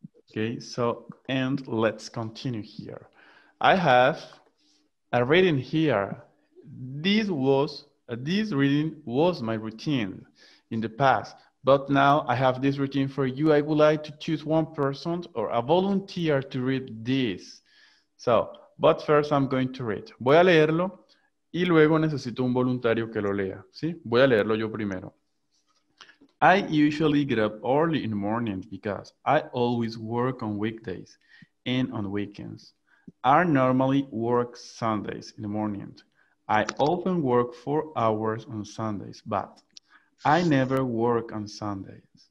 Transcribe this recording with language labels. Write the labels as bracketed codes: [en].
[en] Okay, so, and let's continue here. I have a reading here. This reading was my routine in the past. But now I have this routine for you. I would like to choose one person or a volunteer to read this. So, but first I'm going to read. [es] Voy a leerlo y luego necesito un voluntario que lo lea. ¿Sí? Voy a leerlo yo primero. [en] I usually get up early in the morning because I always work on weekdays and on weekends. I normally work Sundays in the morning. I often work 4 hours on Sundays, but I never work on Sundays.